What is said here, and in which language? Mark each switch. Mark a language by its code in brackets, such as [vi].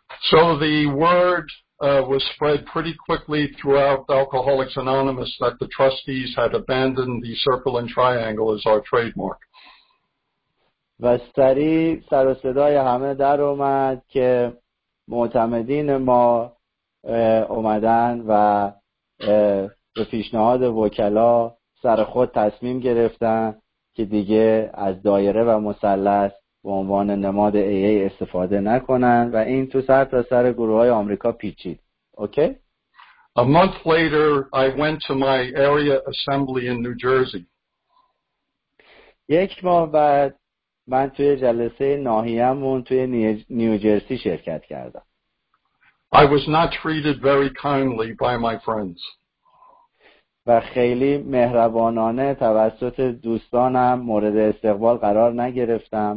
[en] So the word was spread pretty quickly throughout Alcoholics Anonymous that the trustees had abandoned the circle and triangle as our trademark. [fa] و سریع سر و صدای همه در اومد که معتمدین ما اومدن و به پیشنهاد وکلا سر خود تصمیم گرفتن که دیگه از دایره و مثلث به عنوان نماد ای ای استفاده نکنن و این تو سر تا سر گروه های آمریکا پیچید. [en] Okay? A month later I went to my area assembly in New Jersey. [fa] یک ماه بعد من توی جلسه ناحیه‌مون توی نیوجرسی شرکت کردم. [en] I was not treated very kindly by my friends. [fa] و خیلی مهربانانه توسط دوستانم مورد استقبال قرار نگرفتم.